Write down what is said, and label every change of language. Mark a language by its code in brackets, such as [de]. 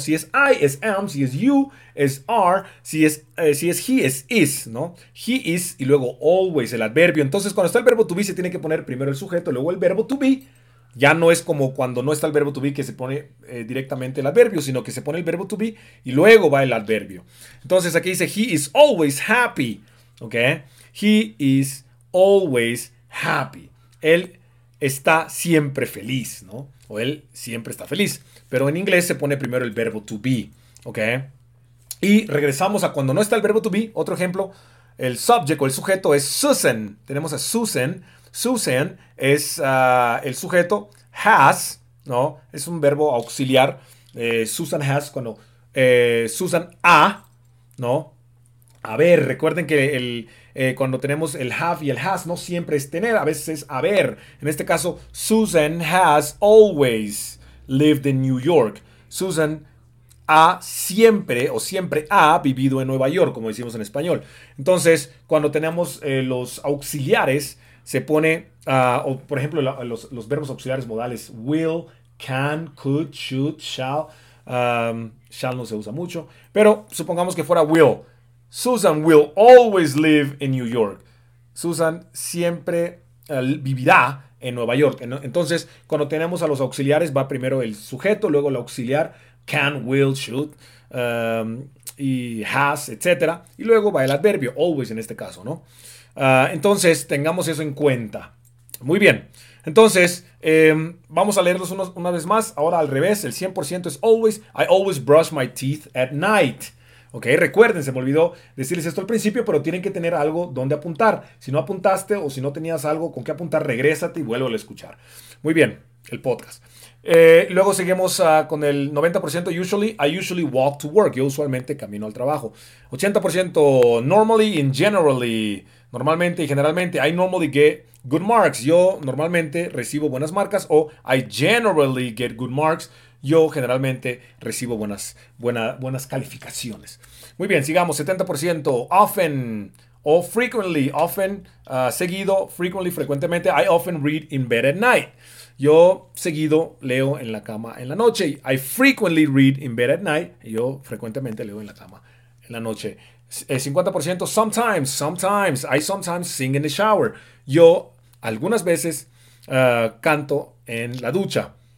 [es] Si es I, es am. Si es you, es are. Si es he, es is, ¿no? He is y luego always el adverbio. Entonces, cuando está el verbo to be, se tiene que poner primero el sujeto, luego el verbo to be. Ya no es como cuando no está el verbo to be que se pone directamente el adverbio, sino que se pone el verbo to be y luego va el adverbio. Entonces aquí dice, [en] he is always happy. ¿Ok? He is always happy. [es] Él está siempre feliz, ¿no? O él siempre está feliz. Pero en inglés se pone primero el verbo to be. ¿Ok? Y regresamos a cuando no está el verbo to be. Otro ejemplo, el subject o el sujeto es Susan. Tenemos a Susan. Susan es el sujeto, has, ¿no? Es un verbo auxiliar. Susan has, cuando Susan ha, ¿no? A ver, recuerden que cuando tenemos el have y el has, no siempre es tener, a veces es haber. En este caso, [en] Susan has always lived in New York. [es] Susan ha siempre o siempre ha vivido en Nueva York, como decimos en español. Entonces, cuando tenemos los auxiliares, se pone, o por ejemplo, los verbos auxiliares modales, will, can, could, should, shall. Shall no se usa mucho, pero supongamos que fuera will. [en] Susan will always live in New York. [es] Susan siempre vivirá en Nueva York. Entonces, cuando tenemos a los auxiliares, va primero el sujeto, luego el auxiliar, can, will, should, y has, etc. Y luego va el adverbio, always en este caso, ¿no? Entonces, tengamos eso en cuenta. Muy bien. Entonces, vamos a leerlos una vez más. Ahora al revés, el 100% es always. [en] I always brush my teeth at night. [es] Ok, recuerden, se me olvidó decirles esto al principio, pero tienen que tener algo donde apuntar. Si no apuntaste o si no tenías algo con qué apuntar, regrésate y vuélvelo a escuchar. Muy bien, el podcast. Luego seguimos con el 90%. [en] Usually, I usually walk to work. [es] Yo usualmente camino al trabajo. [en] 80% normally and generally. [es] Normalmente y generalmente, [en] I normally get good marks. [es] Yo normalmente recibo buenas marcas. [en] O I generally get good marks. [es] Yo generalmente recibo buenas calificaciones. Muy bien, sigamos. 70% often o frequently. Often, seguido, frequently, frecuentemente. [en] I often read in bed at night. [es] Yo seguido leo en la cama en la noche. [en] I frequently read in bed at night. [es] Yo frecuentemente leo en la cama en la noche. [en] 50% sometimes, I sometimes sing in the shower. [es] Yo algunas veces canto en la ducha.